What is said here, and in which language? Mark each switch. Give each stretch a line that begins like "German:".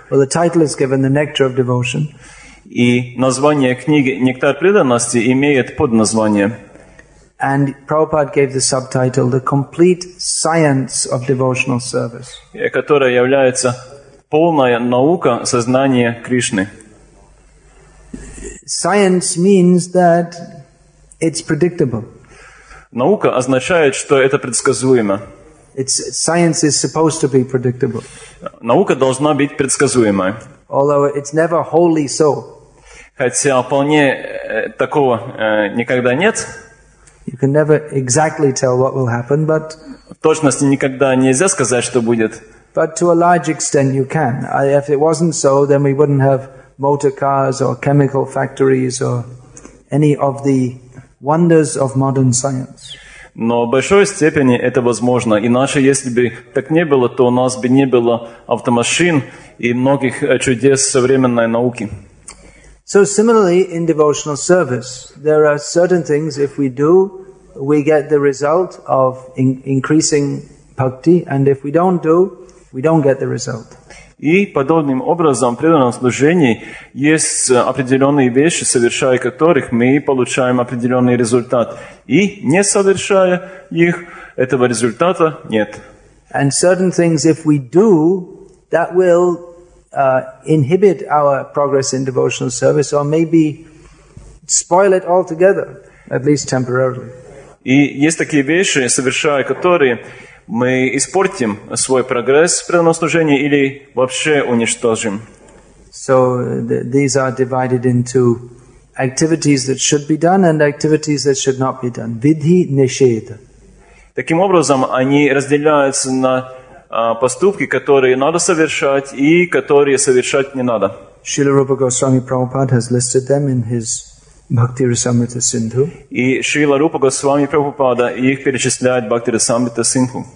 English: Well, the title is given the Nectar of Devotion.
Russian: И название книги «Нектар преданности» имеет подназвание.
English: And Prabhupada gave the subtitle «The Complete Science of Devotional Service».
Russian: Которая является полная наука сознания Кришны.
English: Science means that it's predictable.
Russian: Наука означает, что это предсказуемо.
English: It's, science is supposed to be predictable.
Russian: Наука должна быть предсказуемой.
English: Although it's never wholly so.
Russian: Хотя вполне такого никогда нет.
English: You can never exactly tell what will happen, but...
Russian: В точности никогда нельзя сказать, что будет.
English: But to a large extent you can. If it wasn't so, then we wouldn't have motor cars or chemical factories or any of the wonders of modern science.
Russian: Но в большой степени это возможно. Иначе, если бы так не было, то у нас бы не было автомашин и многих чудес современной науки.
English: So similarly, in devotional service, there are certain things, if we do, we get the result of increasing bhakti, and if we don't do, we don't get the result.
Russian: И подобным образом в преданном служении есть определенные вещи, совершая которых мы получаем определенный результат. И не совершая их, этого результата нет.
English: And certain things, if we do, that will inhibit our progress in devotional service, or maybe spoil it altogether, at least temporarily.
Russian: И есть такие вещи, совершая которые... мы испортим свой прогресс в преданном служении или вообще уничтожим.
English: So these are divided into activities that should be done and activities that should not be done.
Sanskrit: Vidhi nisheda.
Russian: Таким образом, они разделяются на поступки, которые надо совершать и которые совершать не надо.
English: Srila Rupa Goswami Prabhupada has listed them in his Bhakti Rasamrita Sindhu.
Russian: И Шрила Рупа Госвами Прабхупада их перечисляет Бхакти Расамрита Синдху.